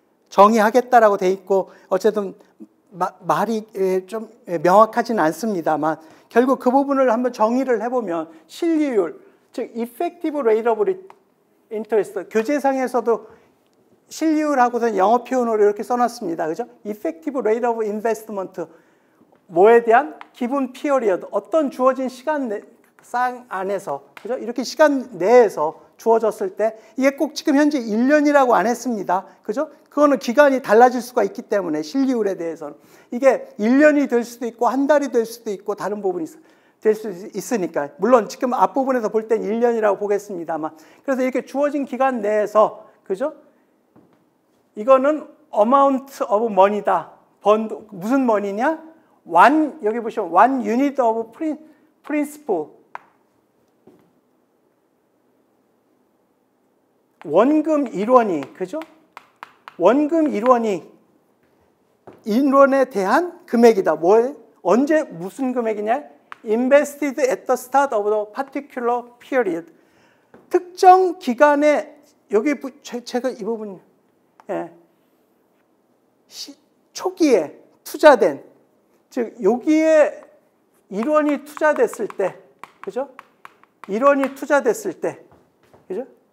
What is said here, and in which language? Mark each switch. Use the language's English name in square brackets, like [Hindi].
[Korean] 정의하겠다라고 돼 있고 어쨌든 말이 좀 명확하지는 않습니다만 결국 그 부분을 한번 정의를 해보면 실이율 즉 [English] effective rate of interest [Korean] 교재상에서도 실리율하고선 영어 표현으로 이렇게 써놨습니다. 그죠? [English] Effective rate of investment. [Korean] 뭐에 대한 기본 period. 어떤 주어진 시간 쌍 안에서, 그죠? 이렇게 시간 내에서 주어졌을 때, 이게 꼭 지금 현재 1년이라고 안 했습니다. 그죠? 그거는 기간이 달라질 수가 있기 때문에, 실리율에 대해서는. 이게 1년이 될 수도 있고, 한 달이 될 수도 있고, 다른 부분이 될 수 있으니까. 물론 지금 앞부분에서 볼 땐 1년이라고 보겠습니다만. 그래서 이렇게 주어진 기간 내에서, 그죠? 이거는 [English] amount of money [Korean] 다. 번 무슨 머니냐? 완 여기 보시면 [English] 완 유닛 오브 프린시플. [Korean] 원금 일원이 그죠? 원금 일원이 일원에 대한 금액이다. 뭐 언제 무슨 금액이냐? [English] Invested at the start of the particular period. [Korean] 특정 기간에 여기 제가 이 부분 예. 초기에 투자된 즉 여기에 일원이 투자됐을 때 그죠? 일원이 투자됐을 때 그죠?